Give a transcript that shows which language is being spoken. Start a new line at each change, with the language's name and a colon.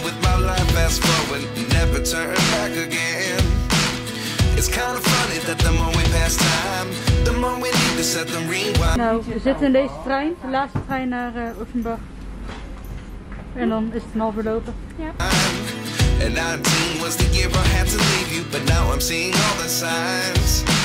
English: With my life fast forward, never turn back again. It's kind of funny that the more we pass time, the more we need to set the rewind.
Dutch: Nou, we zitten in deze trein, de laatste trein naar Offenbach. En dan is het een half uur lopen. Ja.
English: En 19 was the year I had to leave you, but now I'm seeing all the signs.